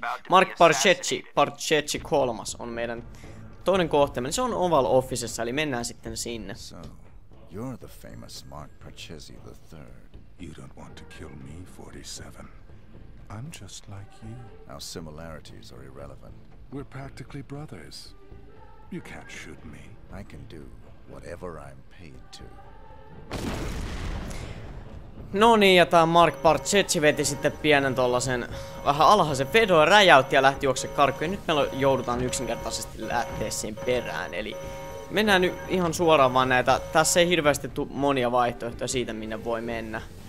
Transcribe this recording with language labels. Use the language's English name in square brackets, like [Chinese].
[Finnish] Mark Parchecci kolmas on meidän toinen kohteemme. Se on Oval Officessa, eli mennään sitten sinne. [English] So, you're the famous Mark Parchecci the third. You don't want to kill me, 47. I'm just like you. Our similarities are irrelevant. We're practically brothers. You can't shoot me. I can do whatever I'm paid to. [Finnish] No niin, ja tää Mark Parchecci veti sitten pienen tollasen vähän alhaisen vedon, räjäytti ja lähti juoksemaan karkkoon. Nyt me joudutaan yksinkertaisesti lähteä siihen perään. Eli mennään nyt ihan suoraan vaan näitä. Tässä ei hirveästi tule monia vaihtoehtoja siitä, minne voi mennä.